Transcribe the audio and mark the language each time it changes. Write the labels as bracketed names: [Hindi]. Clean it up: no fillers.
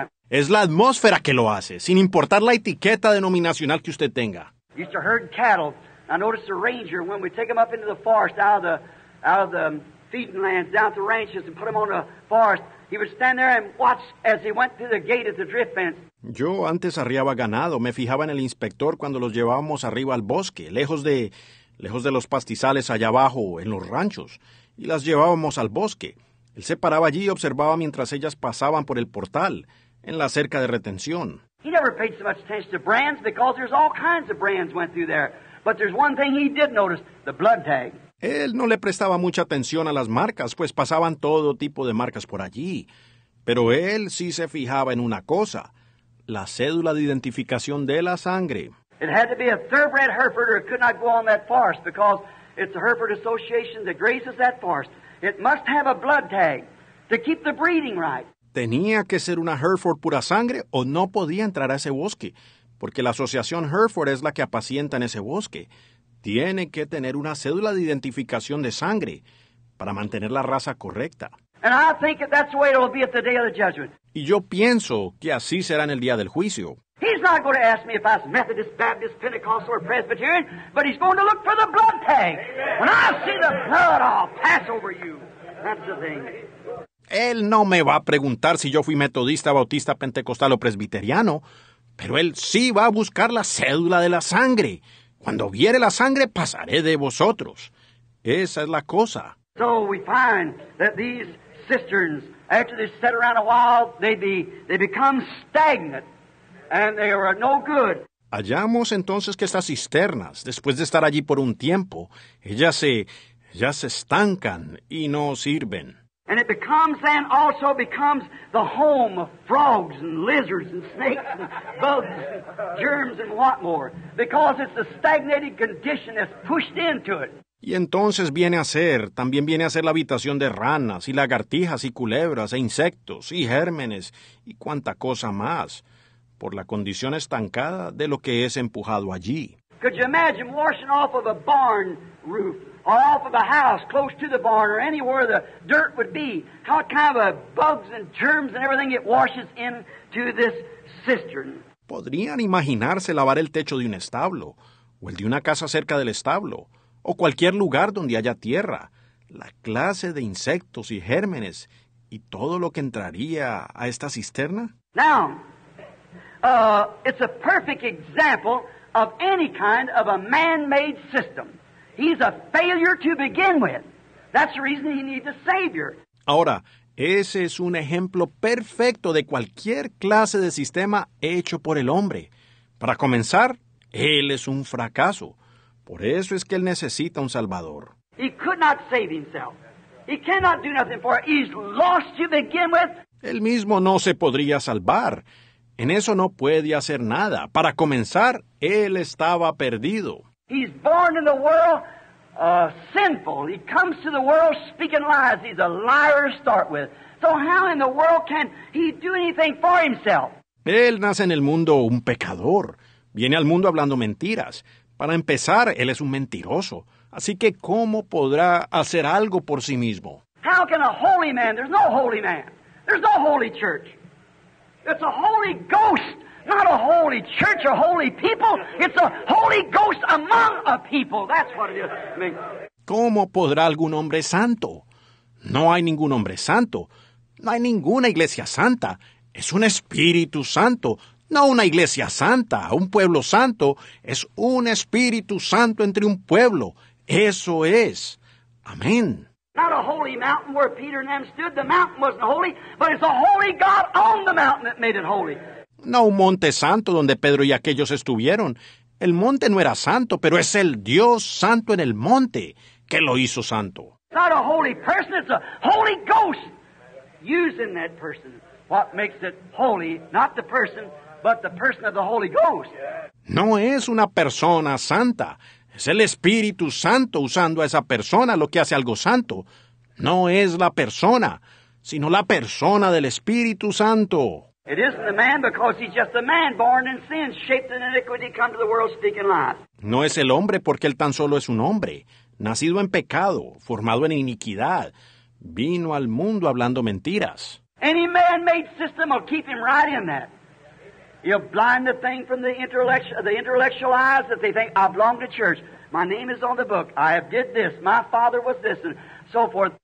[Spanish] Es la atmósfera que lo hace, sin importar la etiqueta denominacional que usted tenga. [English] Used to herd cattle. I noticed a ranger when we take them up into the forest, out of the feeding lands, down to the ranches, and put them on the forest. He would stand there and watch as he went through the gate at the drift fence. [Spanish] Yo antes arriaba ganado, me fijaba en el inspector cuando los llevábamos arriba al bosque, lejos de los pastizales allá abajo, en los ranchos, y las llevábamos al bosque. Él se paraba allí y observaba mientras ellas pasaban por el portal, en la cerca de retención. [English] He never paid so much attention to brands because there's all kinds of brands went through there. But there's one thing he did notice, the blood tag. [Spanish] Él no le prestaba mucha atención a las marcas, pues pasaban todo tipo de marcas por allí. Pero él sí se fijaba en una cosa, la cédula de identificación de la sangre. [English] It had to be a thoroughbred Hereford or it could not go on that forest because it's the Hereford Association that grazes that forest. It must have a blood tag to keep the breeding right. [Spanish] Tenía que ser una Hereford pura sangre o no podía entrar a ese bosque, porque la asociación Hereford es la que apacienta en ese bosque. Tiene que tener una cédula de identificación de sangre para mantener la raza correcta. [English] And I think that that's the way it will be at the day of the judgment. [Spanish] Y yo pienso que así será en el día del juicio. [English] He's not going to ask me if I was Methodist, Baptist, Pentecostal, or Presbyterian, but he's going to look for the blood tag. When I see the blood, I'll pass over you. That's the thing. [Spanish] Él no me va a preguntar si yo fui metodista, bautista, pentecostal o presbiteriano, pero él sí va a buscar la cédula de la sangre. Cuando viere la sangre, pasaré de vosotros. Esa es la cosa. [English] So we find that these cisterns, after they sit around a while, they become stagnant, and they are no good. [Spanish] Hallamos entonces que estas cisternas, después de estar allí por un tiempo, ellas se estancan y no sirven. [English] And it becomes then also becomes the home of frogs and lizards and snakes and bugs, germs and what more, because it's the stagnated condition that's pushed into it. [Spanish] Y entonces también viene a ser la habitación de ranas y lagartijas y culebras e insectos y gérmenes y cuanta cosa más, por la condición estancada de lo que es empujado allí. [English] Could you imagine washing off of a barn roof or off of a house close to the barn or anywhere the dirt would be? How kind of a bugs and germs and everything it washes into this cistern? [Spanish] ¿Podrían imaginarse lavar el techo de un establo o el de una casa cerca del establo? O cualquier lugar donde haya tierra, la clase de insectos y gérmenes y todo lo que entraría a esta cisterna. [English] Now, it's a perfect example of any kind of a man-made system. He's a failure to begin with. That's the reason he needs a savior. [Spanish] Ahora, ese es un ejemplo perfecto de cualquier clase de sistema hecho por el hombre. Para comenzar, él es un fracaso. Por eso es que él necesita un salvador. [English] He could not save himself. He cannot do nothing for it. He's lost to begin with. [Spanish] Él mismo no se podría salvar. En eso no puede hacer nada. Para comenzar, él estaba perdido. [English] He's born in the world sinful. He comes to the world speaking lies. He's a liar to start with. So how in the world can he do anything for himself? [Spanish] Él nace en el mundo un pecador. Viene al mundo hablando mentiras. Para empezar, él es un mentiroso. Así que, ¿cómo podrá hacer algo por sí mismo? [English] How can a holy man? There's no holy man. There's no holy church. It's a holy ghost, not a holy church or holy people. It's a holy ghost among a people. That's what it is. I mean. [Spanish] ¿Cómo podrá algún hombre santo? No hay ningún hombre santo. No hay ninguna iglesia santa. Es un espíritu santo. No una iglesia santa, un pueblo santo, es un espíritu santo entre un pueblo. Eso es. Amén. [English] Not a holy mountain where Peter and them stood. The mountain wasn't holy, but it's the holy God on the mountain that made it holy. [Spanish] No un monte santo donde Pedro y aquellos estuvieron. El monte no era santo, pero es el Dios santo en el monte que lo hizo santo. [English] Not a holy person, it's a holy ghost using that person. What makes it holy, not the person, but the person of the Holy Ghost. [Spanish] No es una persona santa. Es el Espíritu Santo usando a esa persona lo que hace algo santo. No es la persona, sino la persona del Espíritu Santo. [English] It isn't the man because he's just a man born in sin, shaped in iniquity, come to the world speaking lies. [Spanish] No es el hombre porque él tan solo es un hombre, nacido en pecado, formado en iniquidad, vino al mundo hablando mentiras. [English] Any man-made system will keep him right in that. You blind the thing from the intellectual eyes that they think, I belong to church. My name is on the book. I have did this. My father was this, and so forth.